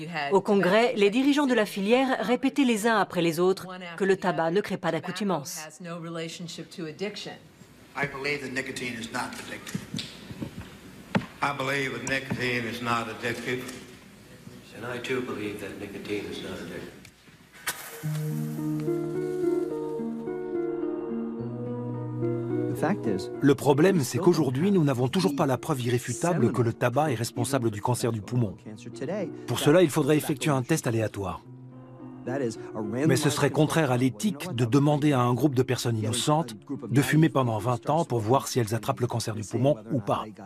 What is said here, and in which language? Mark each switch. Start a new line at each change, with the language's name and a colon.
French: Au Congrès, les dirigeants de la filière répétaient les uns après les autres que le tabac ne crée pas d'accoutumance. Je crois que la nicotine n'est pas addictive.
English: I believe that nicotine is not addictive. And I too believe that nicotine is not addictive.
French: Le problème, c'est qu'aujourd'hui, nous n'avons toujours pas la preuve irréfutable que le tabac est responsable du cancer du poumon. Pour cela, il faudrait effectuer un test aléatoire. Mais ce serait contraire à l'éthique de demander à un groupe de personnes innocentes de fumer pendant 20 ans pour voir si elles attrapent le cancer du poumon ou pas.